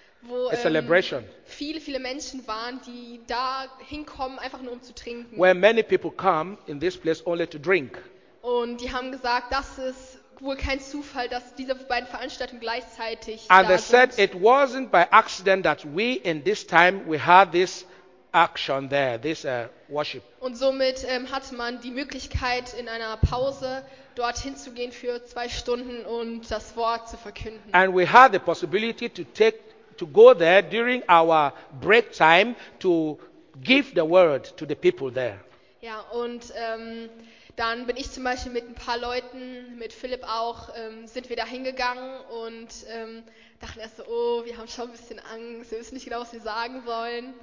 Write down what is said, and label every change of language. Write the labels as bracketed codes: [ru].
[en] Wo a celebration. [de] Viele, viele Menschen waren, die da hinkommen, einfach nur um zu trinken. [en] Where many people come in this place only to drink. [de] Und die haben gesagt, das ist wohl kein Zufall, dass diese beiden Veranstaltungen gleichzeitig [en] and [de] da sind. [en] And they said it wasn't by accident that we in this time we had this action there, this worship. [de] Und somit hatte man die Möglichkeit, in einer Pause dorthin zu gehen für 2 Stunden und das Wort zu verkünden. [en] And we had the possibility to go there during our break time to give the word to the people there. [de] Ja, und dann bin ich zum Beispiel mit ein paar Leuten, mit Philipp auch, sind wir da hingegangen und dachten erst so, oh, wir haben schon ein bisschen Angst, wir wissen nicht genau, was wir sagen sollen.